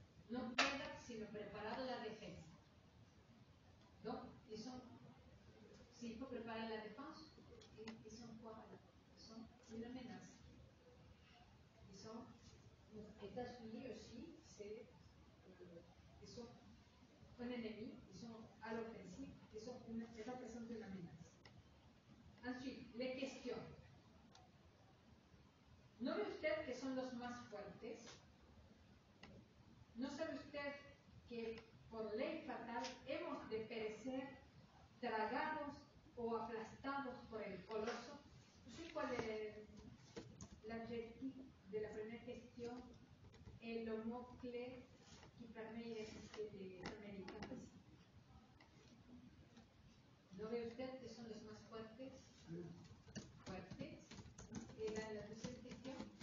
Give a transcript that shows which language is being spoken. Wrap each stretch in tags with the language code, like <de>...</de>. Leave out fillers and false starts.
<es>No queda sino preparar la defensa. ¿No? ¿Y son? Si hijo prepara la defensa, ¿y son cuáles? Son una amenaza. ¿Y son?</es> <fr>Estados Unidos, aussi, c'est sont un ennemi, ils sont à l'offensive, ils sont une représentation d'une menace. Ensuite, les questions.</fr> <es>¿No ve usted que son los más fuertes? ¿No sabe usted que por ley fatal hemos de perecer tragados o aplastados por el coloso? No sé cuál es el objetivo de la primera question.</es> <fr>Et le mot clé qui permet d'exister des Américains. Ne voyez-vous que sont les plus fortes? Fortes. Et là, la deuxième question.</fr>